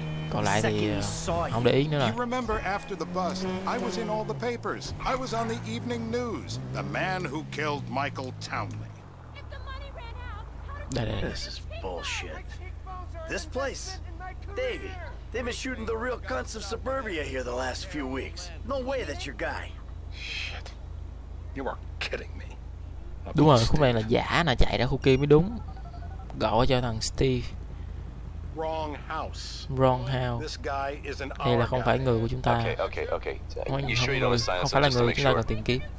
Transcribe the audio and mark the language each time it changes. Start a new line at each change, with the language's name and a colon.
Vietnamese: Còn lại thì không để ý nữa rồi.
English: Remember after the bus, I was in all the papers. I was on the evening news. The man who killed Michael Townley. This is bullshit. This place, Davey, they've been shooting the real cunts of suburbia here the last few weeks. No way that's your guy. Shit, you are kidding me.
Vietnamese: Đúng rồi, khúc này là giả nè, chạy ra khu kia mới đúng. Gọi cho thằng Steve.
English: Wrong house.
Vietnamese: Đây là không phải người của chúng ta.
English: Okay.
Vietnamese: Không phải là người chúng ta cần tìm kiếm.